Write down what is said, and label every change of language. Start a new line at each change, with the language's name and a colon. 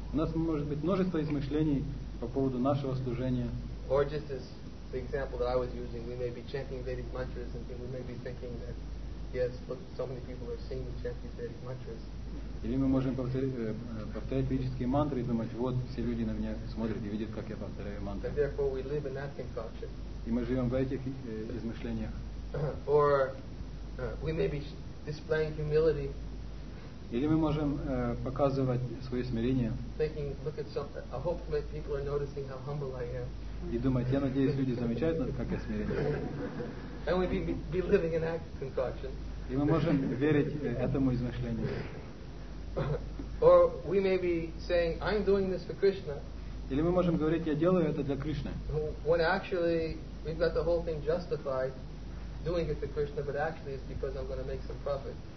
Russian: У нас может быть множество измышлений по поводу нашего служения.
English: Or just as the example that I was using, we may be chanting Vedic mantras and we may be thinking that. Yes, look, so many people are singing chanting Vedic mantras.
Russian: Или мы можем повторять ведические мантры и думать, вот все люди на меня смотрят и видят, как я повторяю мантры.
English: And therefore we live in that concoction.
Russian: И мы живем в этих измышлениях.
English: Or we may be displaying humility.
Russian: Или мы можем показывать свое смирение.
English: Thinking, look at something. I hope that people are noticing how humble I am.
Russian: И думать, я надеюсь, люди замечают, как я смиренен.
English: And we be living in that concoction.
Russian: И мы можем верить этому измышлению.
English: Or we may be saying, I'm doing this for Krishna.
Russian: Или мы можем говорить, я делаю это для Кришны.
English: When actually we've got the whole thing justified, doing it for Krishna, but actually it's because I'm going to make some profit.